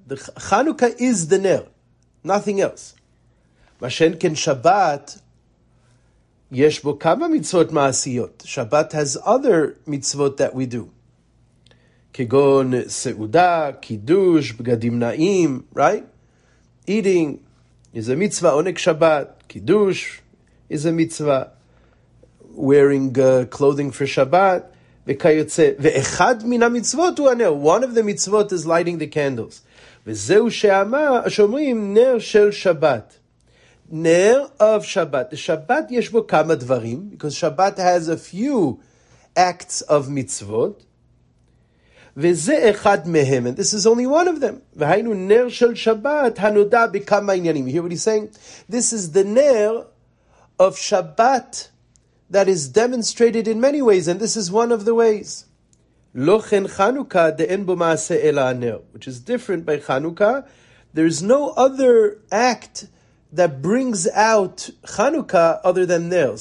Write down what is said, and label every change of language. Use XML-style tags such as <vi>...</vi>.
<en>The Chanukah is the ner, nothing else.</en> <he>Mashen ken Shabbat, yesh bo kama mitzvot ma'asiyot.</he> <en>Shabbat has other mitzvot that we do.</en> <he>Kegon seuda, kiddush, begadim na'im,</he> <en>right? Eating is a mitzvah, onek Shabbat, kiddush is a mitzvah. Wearing clothing for Shabbat.</en> <he>וכיוצא, ואחד מן המצוות הוא הנר.</he> <en>One of the mitzvot is lighting the candles.</en> <he>וזהו שאומרים נר של שבת.</he> <en>נר of Shabbat.</en> <he>שבת יש בו כמה דברים,</he> <en>because Shabbat has a few acts of mitzvot.</en> <he>וזה אחד מהם,</he> <en>and this is only one of them.</en> <he>והיינו נר של שבת הנודע בכמה עניינים.</he> <en>You hear what he's saying? This is the נר of Shabbat that is demonstrated in many ways, and this is one of the ways.</en> <he>Lo chen Chanukah de'en bo ma'aseh ela aner,</he> <en>which is different by Chanukah. There is no other act that brings out Chanukah other than ner.</en>